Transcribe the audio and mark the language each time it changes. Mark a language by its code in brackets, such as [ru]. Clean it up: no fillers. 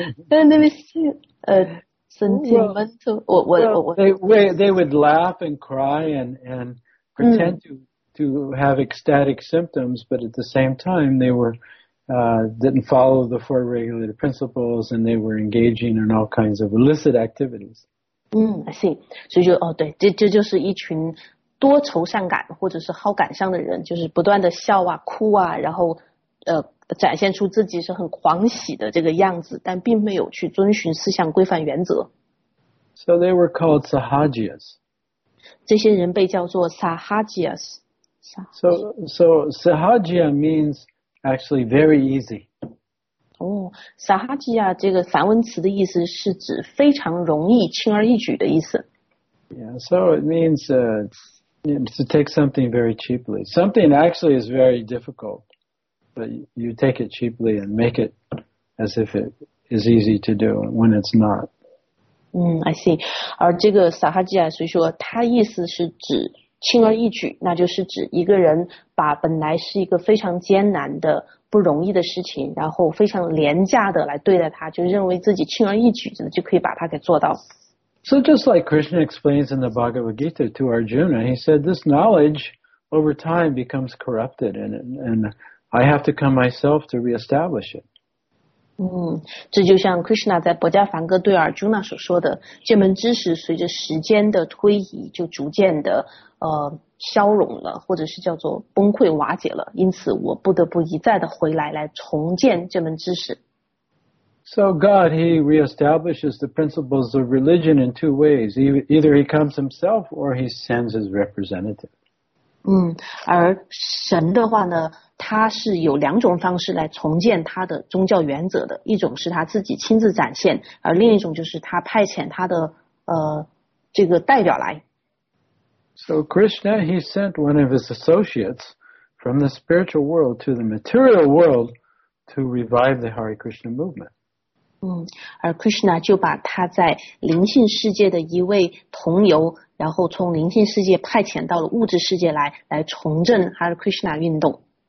[en] They would laugh and cry and pretend to have ecstatic symptoms, but at the same time they were didn't follow the four regulated principles and they were engaging in all kinds of illicit activities. I see. [zh] 所以就对，这就是一群多愁善感或者是好感伤的人，就是不断的笑啊、哭啊，然后展现出自己是很狂喜的这个样子，但并没有去遵循四项规范原则。 [en] So they were called Sahajiyas. [zh] 这些人被叫做 Sahajiyas. [en] So Sahajiya means actually very easy. [zh] Sahajiya 这个梵文词的意思是指非常容易、轻而易举的意思。 [en] Yeah, so it means to take something very cheaply. Something actually is very difficult. But you take it cheaply and make it as if it is easy to do when it's not. I see. [zh] 而这个 Sahajiya 所以说它意思是指轻而易举，那就是指一个人把本来是一个非常艰难的不容易的事情，然后非常廉价的来对待它，就认为自己轻而易举的就可以把它给做到。 [en] So just like Krishna explains in the Bhagavad Gita to Arjuna, he said, this knowledge over time becomes corrupted and I have to come myself to reestablish it. [zh] 这就像 Krishna 在《薄伽梵歌》对 Arjuna 所说的，这门知识随着时间的推移就逐渐的消融了，或者是叫做崩溃瓦解了，因此我不得不一再的回来来重建这门知识。 [en] So God, he reestablishes the principles of religion in two ways. Either he comes himself or he sends his representative. [zh] 而神的话呢，他是有两种方式来重建他的宗教原则的。一种是他自己亲自展现，而另一种就是他派遣他的这个代表来。 [en] So Krishna, he sent one of his associates from the spiritual world to the material world to revive the Hare Krishna movement. [zh] 而 Krishna 就把他在灵性世界的一位同游，然后从灵性世界派遣到了物质世界来重振 Hare Krishna 运动。